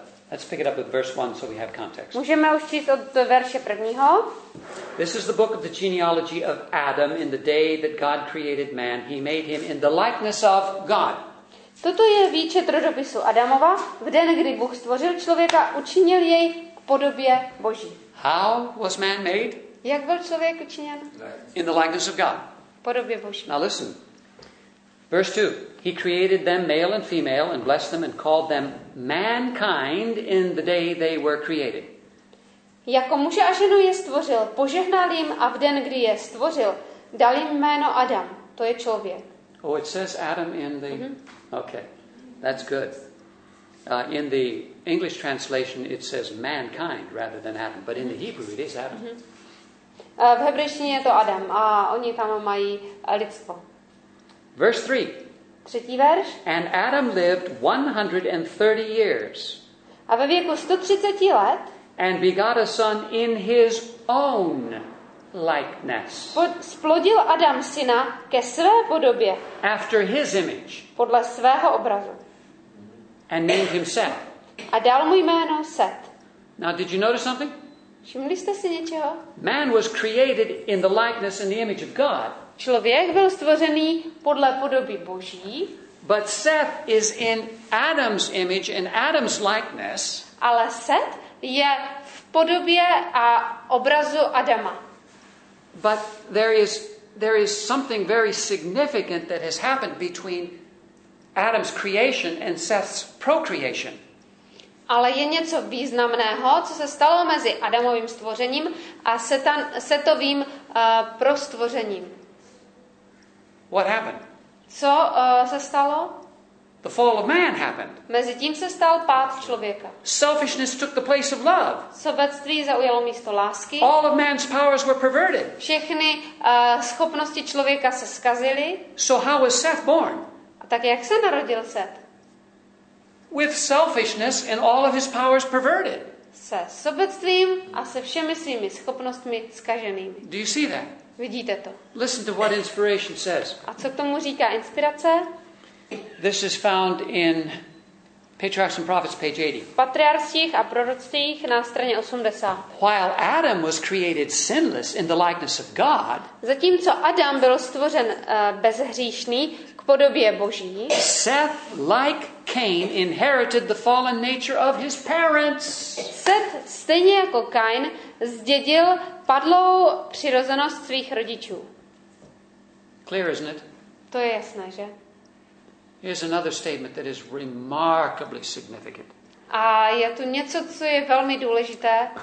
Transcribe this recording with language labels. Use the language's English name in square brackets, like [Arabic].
[English] Let's pick it up with verse 1 so we have context. [Czech] Můžeme už číst od verše prvního. [English] This is the book of the genealogy of Adam. In the day that God created man, he made him in the likeness of God. [Czech] Toto je výčet rodopisu Adamova. V den, kdy Bůh stvořil člověka, učinil jej k podobě Boží. [English] How was man made? [Czech] Jak byl člověk učiněn? [English] In the likeness of God. [Czech] V podobě Boží. [English] Now listen. Verse 2, he created them male and female and blessed them and called them mankind in the day they were created. [Czech] Jako muže a ženu je stvořil, požehnal jim a v den, kdy je stvořil, dal jim jméno Adam, to je člověk. [English] Oh, it says Adam in the... Mm-hmm. Okay, that's good. In the English translation it says mankind rather than Adam, but in the Hebrew it is Adam. Mm-hmm. [Czech] V hebrejštině je to Adam a oni tam mají lidstvo. [English] Verse 3. [Czech] Třetí verš. [English] And Adam lived 130 years. [Czech] A ve věku 130 let. [English] And begot a son in his own likeness. [Czech] Splodil Adam syna ke své podobě. [English] After his image. [Czech] Podle svého obrazu. [English] And named him Seth. [Czech] A dal mu jméno Seth. [English] Now did you notice something? [Czech] Všimli jste si něčeho? [English] Man was created in the likeness and the image of God. [Czech] Člověk byl stvořený podle podoby Boží. [English] But Seth is in Adam's image and Adam's likeness. [Czech] Ale Seth je v podobě a obrazu Adama. [English] But there is something very significant that has happened between Adam's creation and Seth's procreation. [Czech] Ale je něco významného, co se stalo mezi Adamovým stvořením a Setovým prostvořením. [English] What happened? [Czech] Co se stalo? [English] The fall of man happened. [Czech] Mezi tím se stal pád člověka. [English] Selfishness took the place of love. [Czech] Sobectví zaujalo místo lásky. [English] All of man's powers were perverted. [Czech] Všechny schopnosti člověka se zkazily. [English] So how was Seth born? [Czech] A tak jak se narodil Seth? [English] With selfishness and all of his powers perverted. [Czech] Se sobectvím a se všemi svými schopnostmi zkaženými. [English] Do you see that? [Czech] Vidíte to? [English] Listen to what inspiration says. [Czech] A co k tomu říká inspirace? [English] This is found in Patriarchs and Prophets, page 80. [Czech] V Patriarchích a proroctvích na straně 80. [English] While Adam was created sinless in the likeness of God. [Czech] Zatímco Adam byl stvořen bezhříšný k podobě Boží. [English] Seth, like Cain, inherited the fallen nature of his parents. [Czech] Seth, stejně jako Kain, zdědil padlou přirozenost svých rodičů. [English] Clear, isn't it? [Czech] To je jasné, že? [English] Here's another statement that is remarkably significant. [Czech] A je tu něco, co je velmi důležité.